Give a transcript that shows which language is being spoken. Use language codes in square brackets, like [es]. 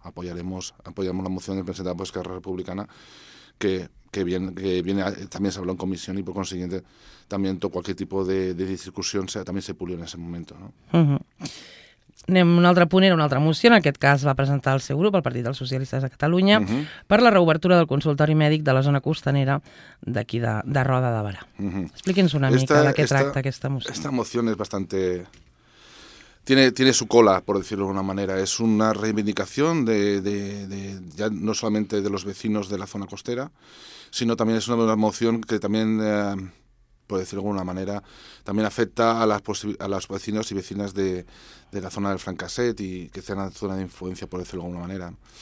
[es] Apoyamos la moción del presidente de Esquerra Republicana que viene también se habló en comisión y por consiguiente también cualquier tipo de discusión también se pulió en ese momento, ¿no? [ca] Anem a un altre punt, era una altra moció, en aquest cas va presentar el seu grup, el Partit dels Socialistes de Catalunya, per la reobertura del consultori mèdic de la zona costanera d'aquí de Roda de Barà. Expliqui'ns una mica de què tracta aquesta moció. [es] Esta moció és bastante... Tiene su cola, por decirlo de una manera. Es una reivindicación de ya no solamente de los vecinos de la zona costera, sino también es una moción que también... por decirlo de alguna manera, también afecta a los vecinos y vecinas de la zona del Francaset y que sea una zona de influencia, por decirlo de alguna manera.